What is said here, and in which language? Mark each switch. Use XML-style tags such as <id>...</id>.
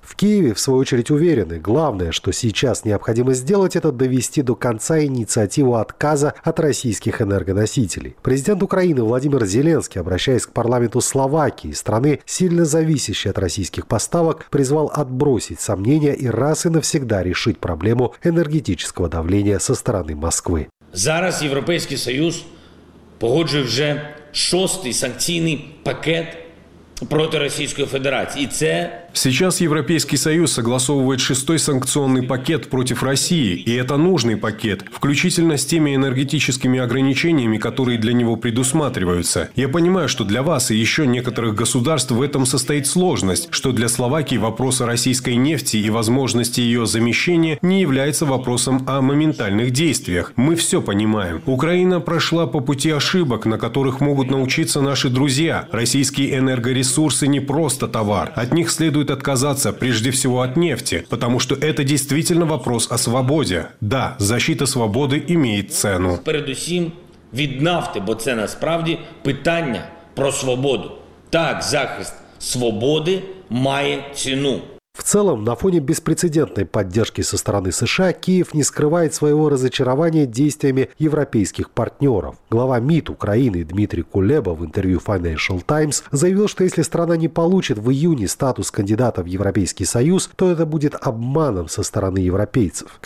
<ru>В Киеве, в свою очередь, уверены, главное, что сейчас необходимо сделать, это довести до конца инициативу отказа от российских энергоносителей. Президент Украины Владимир Зеленский, обращаясь к парламенту Словакии, страны, сильно зависящей от российских поставок, призвал отбросить сомнения и раз и навсегда решить проблему энергетического давления со стороны Москвы.</ru> <uk>Зараз Європейський Союз погоджує вже шостий санкційний пакет проти Російської Федерації.</uk> <ru>Сейчас Европейский Союз согласовывает 6-й санкционный пакет против России, и это нужный пакет, включительно с теми энергетическими ограничениями, которые для него предусматриваются. Я понимаю, что для вас и еще некоторых государств в этом состоит сложность, что для Словакии вопрос о российской нефти и возможности ее замещения не является вопросом о моментальных действиях. Мы все понимаем. Украина прошла по пути ошибок, на которых могут научиться наши друзья. Российские энергоресурсы не просто товар. От них следует отказаться прежде всего от нефти, потому что это действительно вопрос о свободе. Да, защита свободы имеет цену.</ru> <uk>Передусім від нафти, бо це насправді питання про свободу. Так, захист свободи має ціну.</uk> <ru>В целом, на фоне беспрецедентной поддержки со стороны США, Киев не скрывает своего разочарования действиями европейских партнеров. Глава МИД Украины Дмитрий Кулеба в интервью Financial Times заявил, что если страна не получит в июне статус кандидата в Европейский Союз, то это будет обманом со стороны европейцев.</ru>